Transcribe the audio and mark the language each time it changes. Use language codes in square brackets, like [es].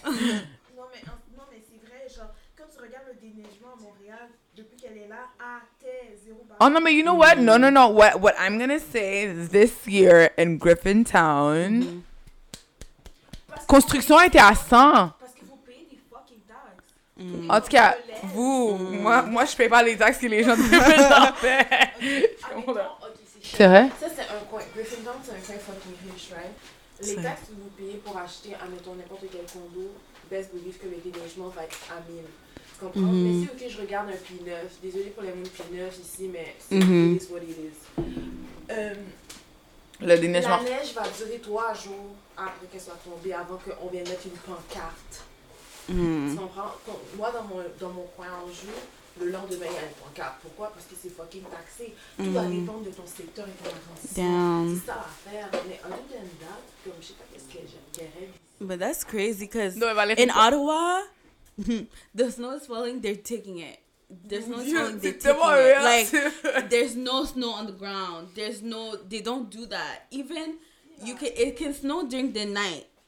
[fr] Non, mais c'est vrai, genre, quand tu regardes le déneigement à Montréal, depuis qu'elle est là, Oh, non, mais [en] you know what? No, no, no. What I'm gonna say this year in Griffintown... [fr] Construction était à 100. En tout cas, vous, moi, je paye pas les taxes que les gens de Griffintown paient. C'est vrai? Ça, c'est un coin. Griffintown, c'est un coin [en] fucking huge, right? [fr] Les taxes que vous payez pour acheter, admettons, n'importe quel condo, [en] best believe [fr] que le déneigement va être à 1000. Tu comprends? Mais si, OK, je regarde un P9. Désolée pour les mêmes P9 ici, mais c'est [en] what it is. [fr] Le déneigement. La neige va durer 3 jours après qu'elle soit tombée, avant qu'on vienne mettre une pancarte. Moi, dans mon coin en jeu, le lendemain, il y a une pancarte. Pourquoi? Parce que c'est fucking taxé. Tout va dépendre de ton secteur et ton intensité. C'est ça l'affaire. Mais [en] other than that, [fr] comme je sais pas qu'est-ce que j'aimerais. [en] But that's crazy because in Ottawa, the snow is falling, they're taking it. There's no snow, they're taking it. Like, there's no snow on the ground. There's no, they don't do that. Even, it can snow during the night.